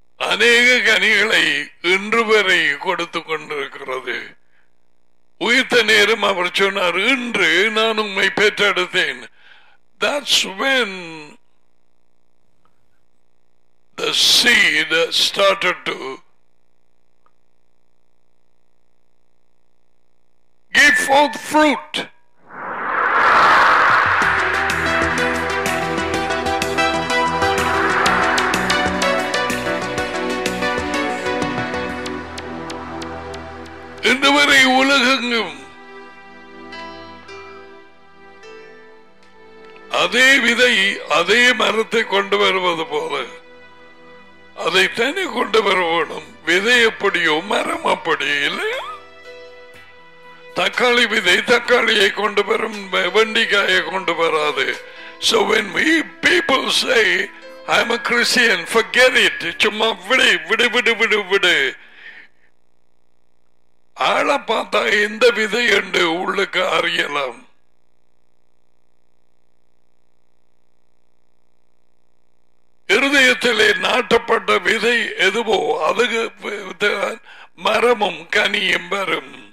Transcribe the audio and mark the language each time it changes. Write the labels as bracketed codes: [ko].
[ta] அநேக கனிகளை இன்று வரை கொடுத்து கொண்டிருக்கிறது. உயிர்த்த நேரம் அவர் சொன்னார், இன்று நான் உண்மை பெற்றெடுத்தேன். [en] That's when the seed started to give forth fruit. [ta] இன்றுவரை உலகெங்கும் அதே விதை அதே மரத்தை கொண்டு வருவது போல அதை தனி கொண்டு வர வேணும். விதை எப்படியோ மரம் அப்படியோ இல்லையா? தக்காளி விதை தக்காளியை கொண்டு வரும், வெண்டிக்காயை கொண்டு வராது. [en] So when we people say I'm a Christian, forget it. [ta] சும்மா விடு விடு விடு விடு விடு. ஆளை பார்த்தா எந்த விதையுண்டு உள்ளுக்கு அறியலாம். இருதயத்திலே நாட்டப்பட்ட விதை எதுவோ அதுக்கு மரமும் கனியும் வரும்.